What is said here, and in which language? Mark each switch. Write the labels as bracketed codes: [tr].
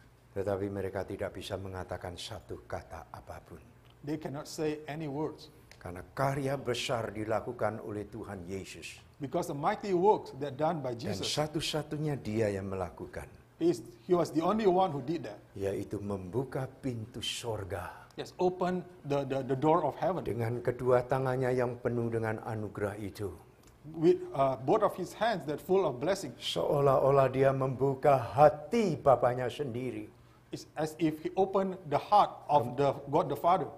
[id] Tetapi mereka tidak bisa mengatakan satu kata apapun. [en] They cannot say any words. [id] Karena karya besar dilakukan oleh Tuhan Yesus. [en] Because the mighty works that done by Jesus. [id] Dan satu-satunya Dia yang melakukan. [en] He was the only one who did that. [id] Yaitu membuka pintu surga. [en] Yes, open the door of heaven. [id] Dengan kedua tangannya yang penuh dengan anugerah itu. [en] With both of his hands that full of blessing. [id] Seolah-olah Dia membuka hati Bapanya sendiri. [en] It's as if he opened the heart of the God the Father.